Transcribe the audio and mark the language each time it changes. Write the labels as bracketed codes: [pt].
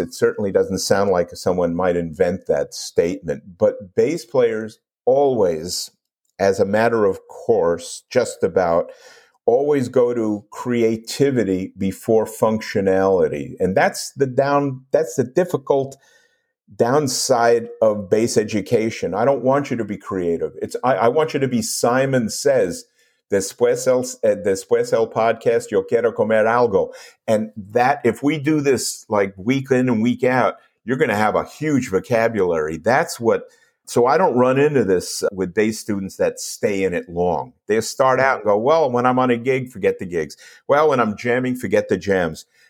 [en] It certainly doesn't sound like someone might invent that statement, but bass players always, as a matter of course, just about always go to creativity before functionality. And that's the difficult downside of base education. I don't want you to be creative. I want you to be Simon Says. [es] Después el podcast, yo quiero comer algo. [en] And that, if we do this like week in and week out, you're going to have a huge vocabulary. So I don't run into this with base students that stay in it long. They start out and go, well, when I'm on a gig, forget the gigs. Well, when I'm jamming, forget the jams.